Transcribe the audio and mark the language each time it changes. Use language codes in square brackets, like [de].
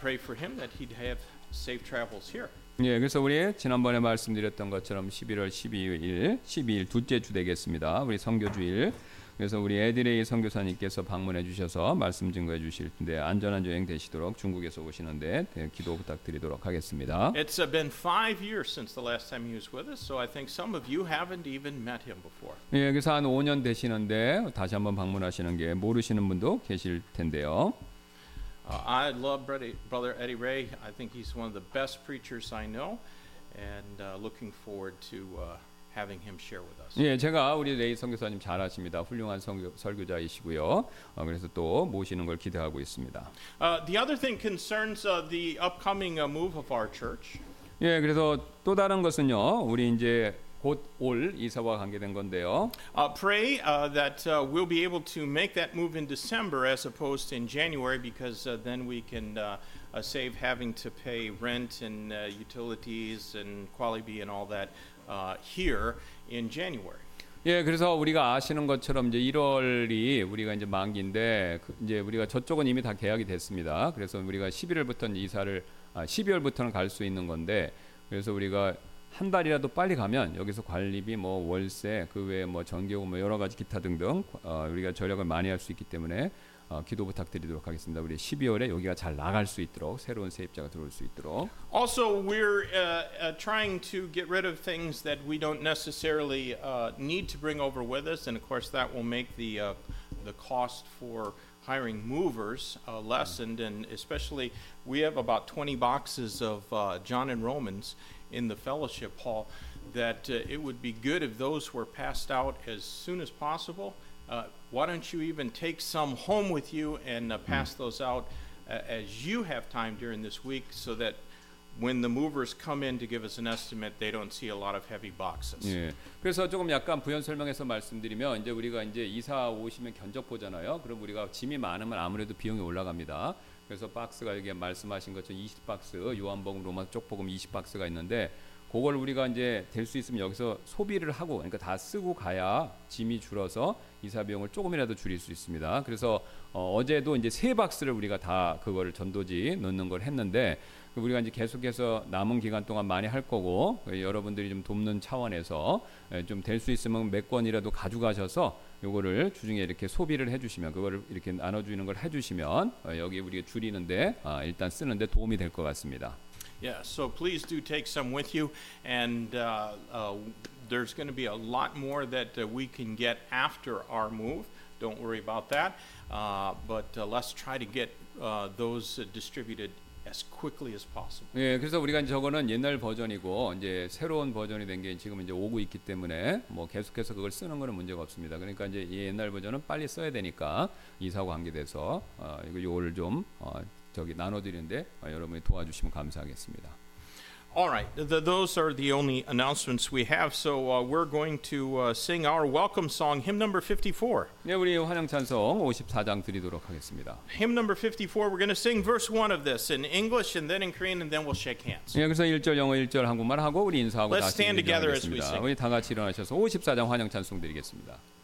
[en] Pray for him that he'd have safe travels here. [ko] 예, 그래서 우리 지난번에 말씀드렸던 것처럼 11월 12일, 12일 둘째 주 되겠습니다. 우리 선교주일. 그래서 우리 에드레이 선교사님께서 방문해 주셔서 말씀 증거해 주실 텐데 안전한 여행 되시도록 중국에서 오시는데 기도 부탁드리도록 하겠습니다. [en] It's been 5 years since the last time he was with us, so I think some of you haven't even met him before. [ko] 예, 그래서 한 5년 되시는데 다시 한번 방문하시는 게 모르시는 분도 계실 텐데요. [en] I love brother Eddie Ray. I think he's one of the best preachers I know and looking forward to having him share with us. [ko] 예, 제가 우리 레이 선교사님 잘 아십니다. 훌륭한 설교자이시고요. 그래서 또 모시는 걸 기대하고 있습니다. [en] The other thing concerns the upcoming move of our church. [ko] 예, 그래서 또 다른 것은요. 우리 이제 곧 올 이사와 관계된 건데요. [en] Pray that we'll be able to make that move in December as opposed to in January because then we can save having to pay rent and utilities and Qualibi and all that. Here in January. [ko] 예, 그래서 우리가 아시는 것처럼 이제 1월이 우리가 이제 만기인데 그 이제 우리가 저쪽은 이미 다 계약이 됐습니다. 그래서 우리가 11월부터는 이사를 12월부터는 갈 수 있는 건데 그래서 우리가 한 달이라도 빨리 가면 여기서 관리비 뭐 월세 그 외에 뭐 전기요금 뭐 여러 가지 기타 등등 우리가 절약을 많이 할 수 있기 때문에 기도 부탁드리도록 하겠습니다. 우리 12월에 여기가 잘 나갈 수 있도록 새로운 세입자가 들어올 수 있도록. [en] Also, we're trying to get rid of things that we don't necessarily need to bring over with us, and of course that will make the cost for hiring movers lessened. And especially, we have about 20 boxes of John and Romans in the fellowship hall. That it would be good if those were passed out as soon as possible. Why don't you even take some home with you and pass those out as you have time during this week so that when the movers come in to give us an estimate, they don't see a lot of heavy boxes. [ko] 예, 그래서 조금 약간 부연 설명해서 말씀드리면 이제 우리가 이제 이사 오시면 견적보잖아요. 그럼 우리가 짐이 많으면 아무래도 비용이 올라갑니다. 그래서 박스가 여기 말씀하신 것처럼 20박스, 요한복음 로마서 쪽 복음 20박스가 있는데 그걸 우리가 이제 될 수 있으면 여기서 소비를 하고 그러니까 다 쓰고 가야 짐이 줄어서 이사 비용을 조금이라도 줄일 수 있습니다. 그래서 어제도 이제 세 박스를 우리가 다 그거를 전도지 넣는 걸 했는데 우리가 이제 계속해서 남은 기간 동안 많이 할 거고 여러분들이 좀 돕는 차원에서 좀 될 수 있으면 몇 권이라도 가져가셔서 요거를 주중에 이렇게 소비를 해주시면 그거를 이렇게 나눠주는 걸 해주시면 여기 우리가 줄이는데 일단 쓰는데 도움이 될 것 같습니다. [en] Yeah, so please do take some with you, and there's going to be a lot more that we can get after our move. Don't worry about that. Let's try to get those distributed as quickly as possible. [ko] 예, 그래서 우리가 저거는 옛날 버전이고 이제 새로운 버전이 된 게 지금 이제 오고 있기 때문에 뭐 계속해서 그걸 쓰는 거는 문제가 없습니다. 그러니까 이제 이 옛날 버전은 빨리 써야 되니까 이사 관계돼서 이거 요거를 좀 저기 나눠드리는데 여러분이 도와주시면 감사하겠습니다. [en] All right, those are the only announcements we have. So we're going to sing our welcome song, hymn number 54. [ko] 네, 우리 환영 찬송 54장 드리도록 하겠습니다. [en] Hymn number 54. We're going to sing verse 1 of this in English and then in Korean, and then we'll shake hands. [ko] 네, 그래서 1절 영어, 1절 한국말 하고 우리 인사하고 [en] Let's [ko] 다시 [en] stand together as we sing. [ko] 우리 다 같이 일어나셔서 54장 환영 찬송 드리겠습니다.